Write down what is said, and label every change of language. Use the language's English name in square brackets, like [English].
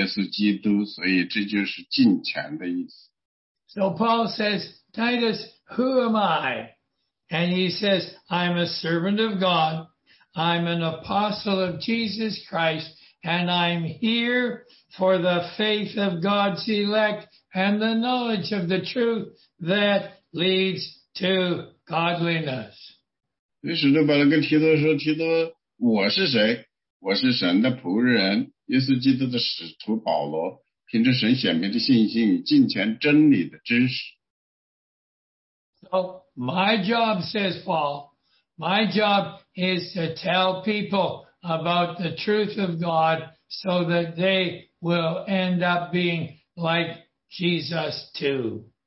[Chinese] 所以有很多很多的事儿在我的本性里其实没有的。我想要在那样的事情像主耶稣基督，所以这就是敬虔的意思。 [English] So Paul says, Titus, who am I? And he says, I'm a servant of God, I'm an apostle of Jesus Christ, and I'm here for the faith of God's elect and the knowledge of the truth that leads to godliness. [Chinese] 使徒保罗跟提多说，提多，我是谁？我是神的仆人，耶稣基督的使徒保罗。凭着神显明的信心，以敬虔真理的知识。 [English] So my job, says Paul, my job is to tell people about the truth of God so that they will end up being like Jesus too.